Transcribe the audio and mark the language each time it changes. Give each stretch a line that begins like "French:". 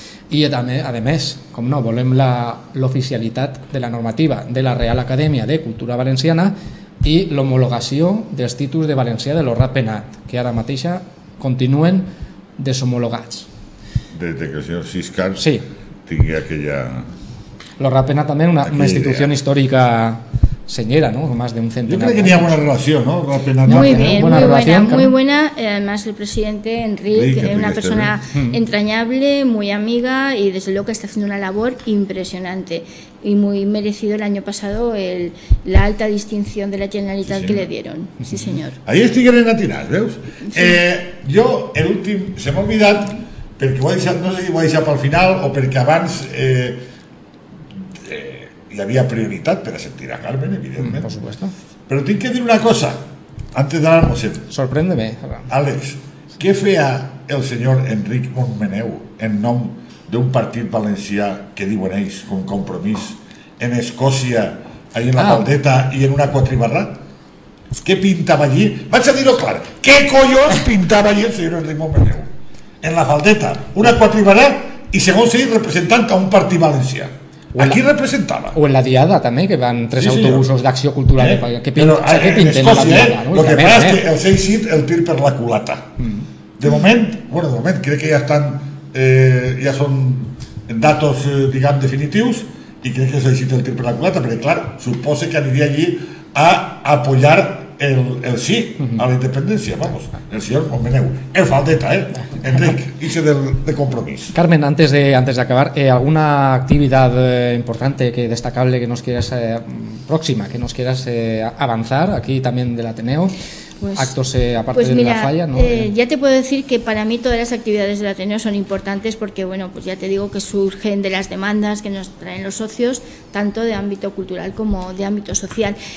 Catalan: I també, a més, com no, volem l'oficialitat de la normativa de la Real Acadèmia de Cultura Valenciana i l'homologació dels títols de valencià de l'Orrat Penat, que ara mateixa continuen deshomologats. Des que el senyor Siscar sí. Tingui aquella... L'Orrat Penat també és una institució històrica senyera, no?
Spanish: Más de un centenar.
Catalan: Jo crec que n'hi ha bona relació, no?
Spanish: Muy bien, muy buena. Además, el presidente Enric, sí, una persona entrañable, muy amiga y desde luego que está haciendo una labor impresionante. Y muy merecido el año pasado la alta distinción de la Generalitat, sí, que le dieron. Sí, señor. Ahí estiguen en atinar, ¿veus? Sí. Yo, el último, se me ha olvidado, porque voy a dejar, no sé si voy a dejar para el final o porque
Catalan: abans hi havia prioritat per a sentir a Carmen, evidentment.
Spanish: Por supuesto.
Catalan: Però tinc que dir una cosa, antes d'anar al mossèn. Sorprèndeme. Àlex, què feia el senyor Enric Montmeneu en nom d'un partit valencià que diuen ells, com Compromís, en Escòcia, ahí en la Valdeta i en una quatribarra? Què pintava allí? Vaig a dir-ho clar. Què collons pintava allí el senyor Eslimó Meneu? En la faldeta, una quatribarà i segons ell representant a un partit valencià. A qui representava? O en la Diada també, que van tres autobusos d'acció cultural. Què pinten a la Diada? El que passa és que el seu xit el tir per la culata. De moment, bueno, de moment crec que ja estan, ja són datos, diguem, definitius, i crec que s'ha eixit el tir per la culata, perquè clar, suposa que aniria allí a apoyar el sí a la independència,
Spanish: vamos, el señor
Catalan: Meneu, el faldeta, Enric, ixe de compromís.
Spanish: Carmen, antes de acabar, alguna activitat importante, que destacable, que nos quieras, próxima, que nos quieras avanzar, aquí también del Ateneo. Pues, actos aparte pues mira, de la falla, ¿no? Ya te puedo decir que para mí todas las actividades del Ateneo son importantes porque, bueno, pues ya te digo que surgen de las demandas que nos traen los socios, tanto de ámbito cultural como de ámbito social.